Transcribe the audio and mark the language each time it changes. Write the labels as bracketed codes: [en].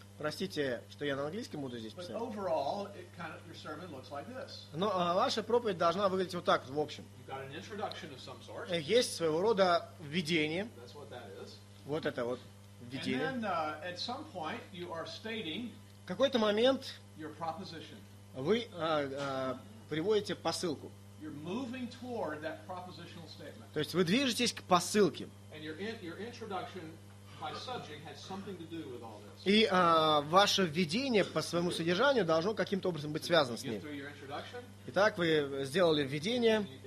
[ru] Простите, что я на английском буду здесь писать. [en] But overall, kind of, your sermon looks like this. [ru] Но ваша проповедь должна выглядеть вот так, в общем. [en] You've got an introduction of some sort. [ru] Есть своего рода введение. [en] That's what that is. [ru] Вот это вот видение. [en] And then, at some point you are stating [ru] какой-то момент [en] your proposition. [ru] Вы приводите посылку. [en] You're moving toward that propositional statement. [ru] То есть вы движетесь к посылке. [en] And your introduction by subject has something to do with all this. [ru] И ваше введение по своему содержанию должно каким-то образом быть связано с ним. Итак, вы сделали введение.